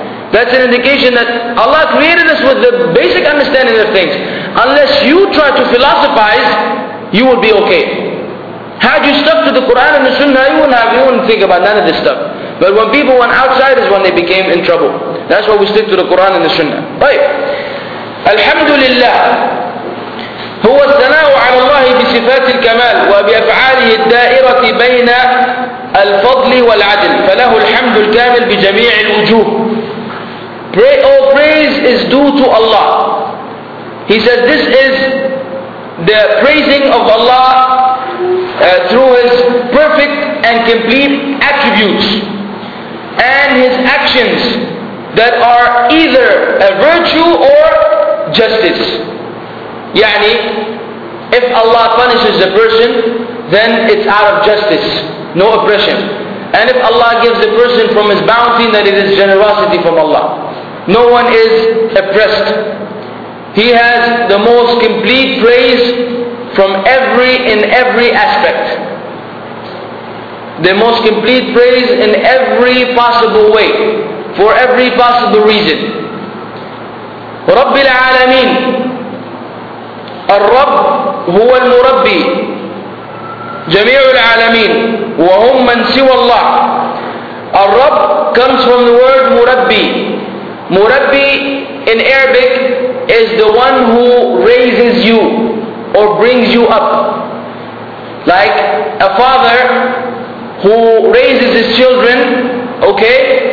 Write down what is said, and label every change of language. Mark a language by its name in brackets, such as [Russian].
[English] That's an indication that Allah created us with the basic understanding of things. Unless you try to philosophize, you will be okay. Had you stuck to the Quran and the Sunnah, you wouldn't think about none of this stuff. But when people went outside is when they became in trouble. That's why we stick to the Quran and the Sunnah. [Arabic] طيب. Alhamdulillah. هو الثناء على الله بصفات الكمال وبأفعاله الدائرة بين الفضل والعدل فله الحمد الكامل بجميع الوجوه. [English] All praise is due to Allah. He says this is the praising of Allah through His perfect and complete attributes and His actions that are either a virtue or justice. [Arabic] يعني, [English] if Allah punishes a person, then it's out of justice, no oppression. And if Allah gives a person from His bounty, then it is generosity from Allah. No one is oppressed. He has the most complete praise from every aspect. The most complete praise in every possible way, for every possible reason. [Arabic] رَبِّ الْعَالَمِينَ. الرب هو المربي جميع العالمين وهم من سوى الله. [English] الرب comes from the word مربي. مربي in Arabic is the one who raises you or brings you up. Like a father who raises his children, okay?